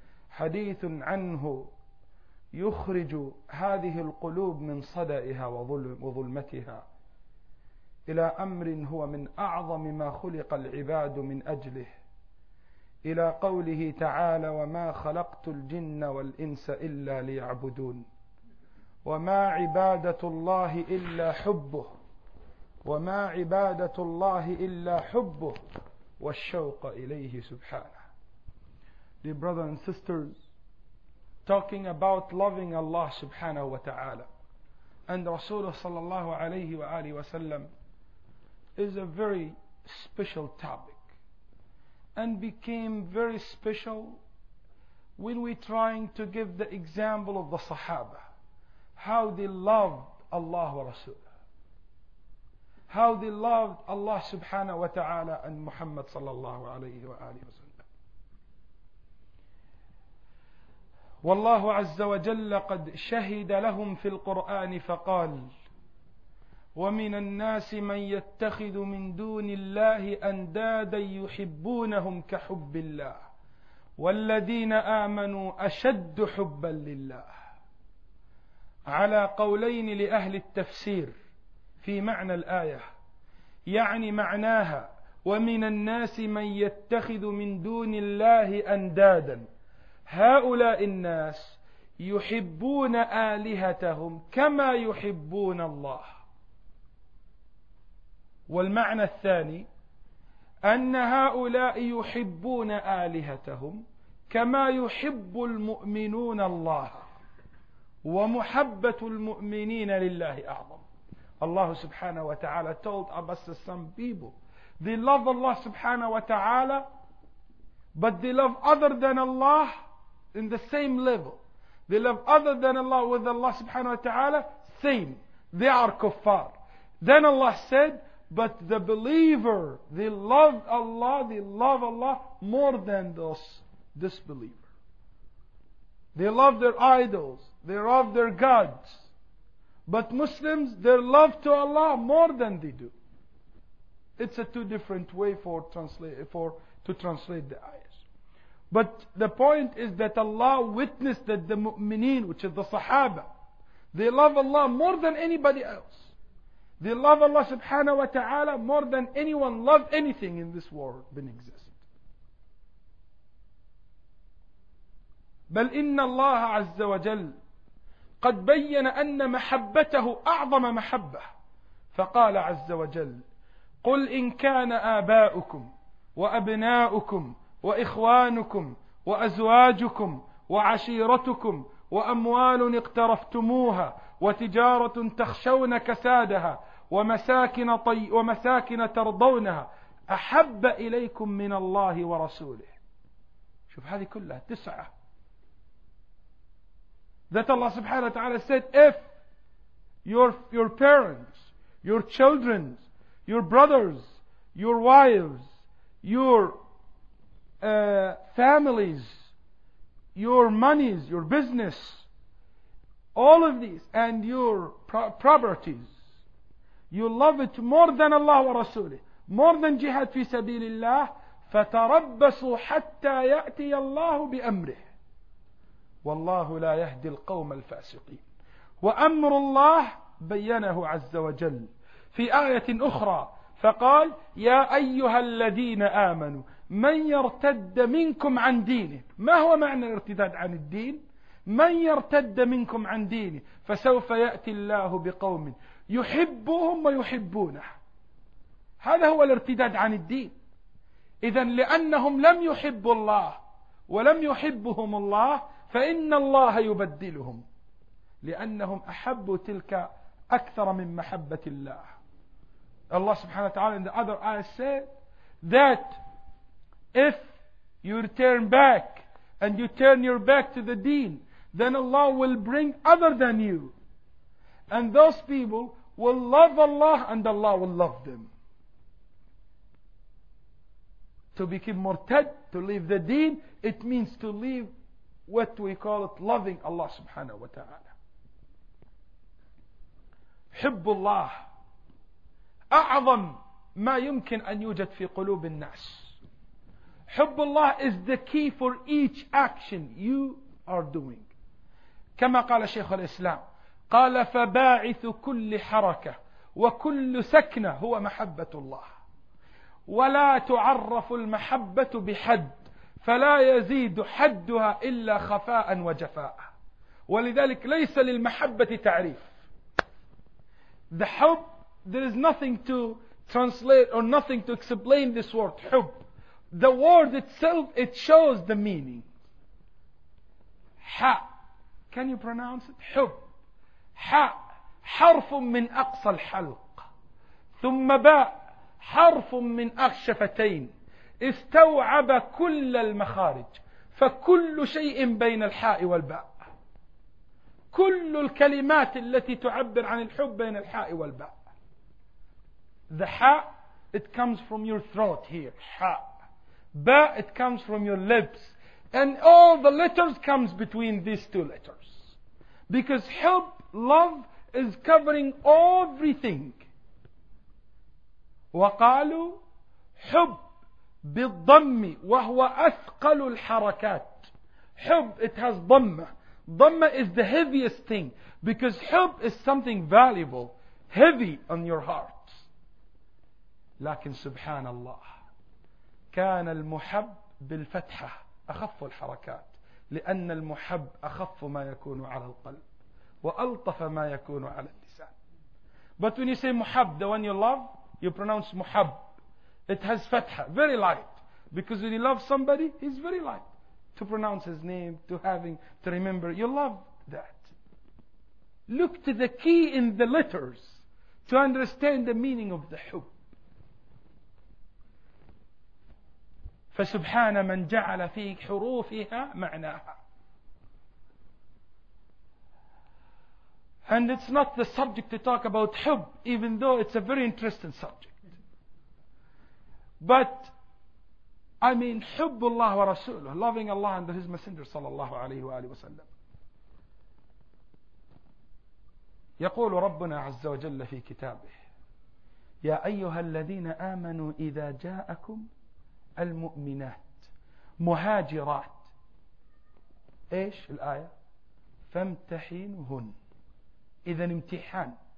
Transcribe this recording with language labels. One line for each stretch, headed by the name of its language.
Arabic: حديث عنه يخرج هذه القلوب من صدائها وظلمتها إلى أمر هو من أعظم ما خلق العباد من أجله، إلى قوله تعالى: وما خلقت الجن والإنس إلا ليعبدون، وما عبادة الله إلا حبه، وما عبادة الله إلا حبه والشوق إليه سبحانه.
English: Dear brothers and sisters, talking about loving Allah subhanahu wa ta'ala and Rasulullah sallallahu alayhi wa alihi wa sallam is a very special topic and became very special when we trying to give the example of the Sahaba, how they loved Allah wa Rasulah, how they loved Allah subhanahu wa ta'ala and Muhammad sallallahu alayhi wa alihi wa sallam.
Arabic: Wallahu azza wa jalla qad shahida lahum fil Qur'an faqal: ومن الناس من يتخذ من دون الله أندادا يحبونهم كحب الله والذين آمنوا أشد حبا لله. على قولين لأهل التفسير في معنى الآية، يعني معناها: ومن الناس من يتخذ من دون الله أندادا، هؤلاء الناس يحبون آلهتهم كما يحبون الله. والمعنى الثاني أن هؤلاء يحبون آلهتهم كما يحب المؤمنون الله، ومحبة المؤمنين لله أعظم. الله سبحانه وتعالى
English: told us some people they love Allah
Arabic: سبحانه وتعالى
English: but they love other than Allah in the same level. They love other than Allah with Allah
Arabic: سبحانه وتعالى
English: same. They are kuffar. Then Allah said, but the believer, they love Allah, they love Allah more than those disbeliever. They love their idols, they love their gods. But Muslims, their love to Allah more than they do. It's a two different way to translate the ayahs. But the point is that Allah witnessed that the mu'mineen, which is the sahaba, they love Allah more than anybody else. They love Allah subhanahu wa ta'ala more than anyone love anything in this world been existed.
Arabic: بل إن الله عز وجل قد بين أن محبته أعظم محبة، فقال عز وجل: قل إن كان آباؤكم وأبناؤكم وإخوانكم وأزواجكم وعشيرتكم وأموال اقترفتموها وتجارة تخشون كسادها ومساكن ترضونها أحب إليكم من الله ورسوله. شوف هذه كلها تسعة.
English: That Allah subhanahu wa ta'ala said, if your parents, your children, your brothers, your wives, your families, your monies, your business, all of these and your properties, you love it more than Allah wa Rasulih, more than jihad fi sabilillah,
Arabic: فتربصوا حتى يأتي الله بأمره والله لا يهدي القوم الفاسقين. وأمر الله بينه عز وجل في آية أخرى فقال: يا أيها الذين آمنوا من يرتد منكم عن دينه. ما هو معنى الارتداد عن الدين؟ من يرتد منكم عن دينه فسوف يأتي الله بقوم يحبهم ويحبونه. هذا هو الارتداد عن الدين. إذن لأنهم لم يحبوا الله ولم يحبهم الله فإن الله يبدلهم، لأنهم أحبوا تلك أكثر من محبة الله. الله سبحانه وتعالى
English: in the other ayah said that if you turn back and you turn your back to the deen, then Allah will bring other than you, and those people will love Allah and Allah will love them. To become murtad, to leave the deen, it means to leave what we call it loving Allah subhanahu wa ta'ala.
Arabic: حب الله أعظم ما يمكن أن يوجد في قلوب الناس.
English: حب الله is the key for each action you are doing.
Arabic: كما قال شيخ الإسلام قال: فباعث كل حركة وكل سكنة هو محبة الله، ولا تعرف المحبة بحد، فلا يزيد حدها إلا خفاء وجفاء. ولذلك ليس للمحبة تعريف.
English: The حب، there is nothing to translate or nothing to explain this word حب. The word itself, it shows the meaning. حَ، can you pronounce it؟ حب.
Arabic: حَ، حرف من أقصى الحلق. ثم باء، حرف من أخشفتين. استوعب كل المخارج، فكل شيء بين الحاء والباء، كل الكلمات التي تعبر عن الحب بين الحاء والباء.
English: The حاء it comes from your throat here.
Arabic: حاء.
English: باء it comes from your lips. And all the letters comes between these two letters. Because حب love is covering everything.
Arabic: وقالوا حب بالضم وهو أثقل الحركات.
English: حب it has ضمة. ضمة is the heaviest thing. Because حب is something valuable. Heavy on your heart.
Arabic: لكن سبحان الله كان المحب بالفتحة أخف الحركات، لأن المحب أخف ما يكون على القلب وألطف ما يكون على اللسان.
English: But when you say محب, the one you love, you pronounce محب, it has فتحة, very light. Because when you love somebody, he's very light to pronounce his name, to having, to remember. You love that. Look to the key in the letters to understand the meaning of the حب.
Arabic: فسبحان من جعل في حروفها معناها.
English: And it's not the subject to talk about حب, even though it's a very interesting subject. But I mean حب الله ورسوله, loving Allah and His Messenger
Arabic: صلى الله عليه وآله وسلم. يقول ربنا عز وجل في كتابه: يا أيها الذين آمنوا إذا جاءكم المؤمنات مهاجرات, ايش الآية؟ فامتحنهن. إذن امتحان.